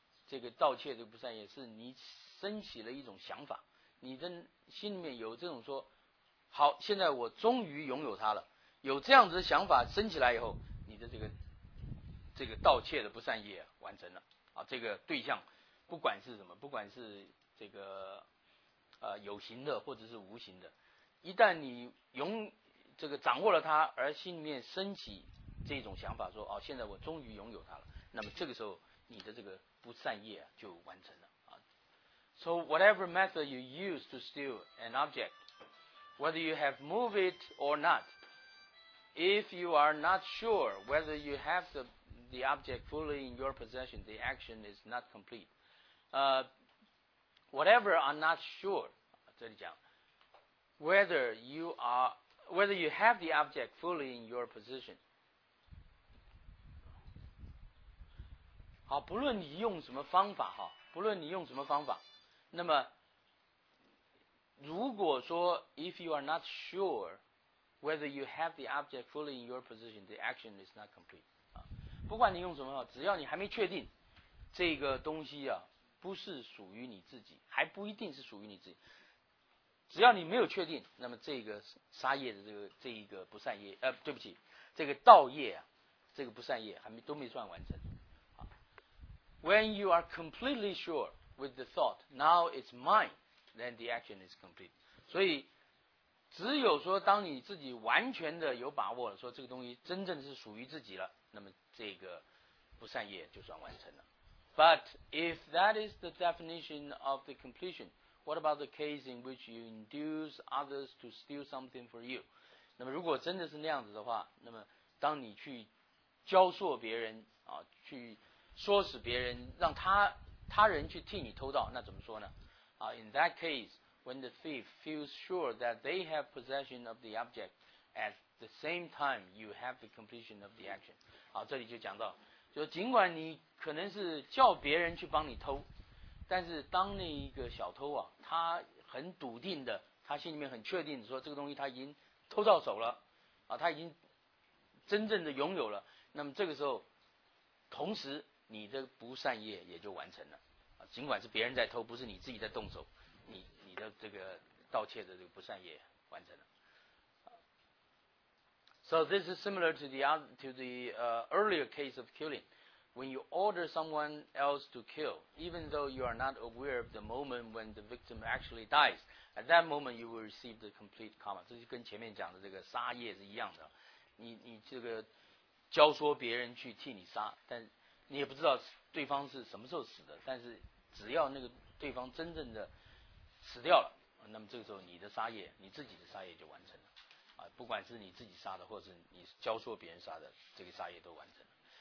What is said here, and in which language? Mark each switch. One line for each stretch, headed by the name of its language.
Chinese: 这个盗窃这个不善业是你升起了一种想法，你的心里面有这种说，好，现在我终于拥有它了，有这样子的想法升起来以后，你的这个盗窃的不善业、啊、完成了啊。这个对象不管是什么，不管是这个有形的或者是无形的，一旦你掌握了它，而心里面升起这种想法说，哦，现在我终于拥有它了，那么这个时候你的这个不善业就完成了。
English: So whatever method you use to steal an object, whether you have moved it or not, if you are not sure whether you have the object fully in your possession, the action is not complete. Whatever are not sure,
Chinese: 这里讲
English: whether you have the object fully in your possession,
Chinese: 好，不论你用什么方法哈，不论你用什么方法，那么如果说
English: if you are not sure whether you have the object fully in your possession, the action is not complete.
Chinese: 啊，不管你用什么，只要你还没确定这个东西啊不是属于你自己，还不一定是属于你自己，只要你没有确定，那么这个杀业的这一个不善业，对不起，这个盗业啊，这个不善业都没算完成。
English: When you are completely sure with the thought, now it's mine, then the action is complete.
Chinese: 所以只有说当你自己完全的有把握了，说这个东西真正是属于自己了，那么这个不善业就算完成了。
English: But if that is the definition of the completion, what about the case in which you induce others to steal something for you?
Chinese: 那么如果真的是那样子的话，那么当你去教唆别人啊，去唆使别人让他人去替你偷盗，那怎么说呢？
English: 啊 ，In that case, when the thief feels sure that they have possession of the object, at the same time you have the completion of the action.
Chinese: 好，这里就讲到，就尽管你可能是叫别人去帮你偷，但是当那一个小偷啊，他很笃定的，他心里面很确定的说这个东西他已经偷到手了，啊，他已经真正的拥有了，那么这个时候，同时你的不善业也就完成了，啊，尽管是别人在偷，不是你自己在动手，你的这个盗窃的这个不善业完成了。
English: So this is similar to the earlier case of killing. When you order someone else to kill, even though you are not aware of the moment when the victim actually dies, at that moment you will receive the complete karma.
Chinese: 这就跟前面讲的这个杀业是一样的，你这个教唆别人去替你杀，但你也不知道对方是什么时候死的，但是只要那个对方真正的死掉了，那么这个时候你的杀业，你自己的杀业就完成了，啊，不管是你自己杀的，或者是你教唆别人杀的，这个杀业都完成了。